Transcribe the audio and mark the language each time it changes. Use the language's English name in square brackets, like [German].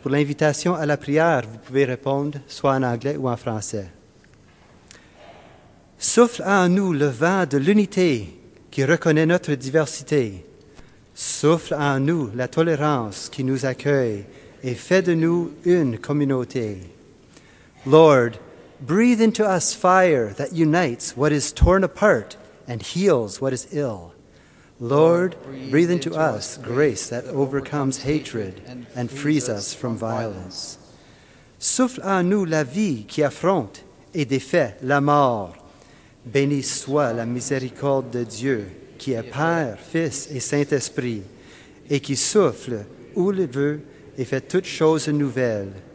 [French] Pour l'invitation à la prière, vous pouvez répondre soit en anglais ou en français. Souffle en nous le vent de l'unité qui reconnaît notre diversité. Souffle en nous la tolérance qui nous accueille et fait de nous une communauté. [English] Lord, breathe into us fire that unites what is torn apart and heals what is ill. Lord, breathe into us grace that overcomes hatred and frees us from violence. [French] Souffle en nous la vie qui affronte et défait la mort. Béni soit la miséricorde de Dieu qui est Père, Fils et Saint-Esprit et qui souffle où le veut et fait toutes choses nouvelles.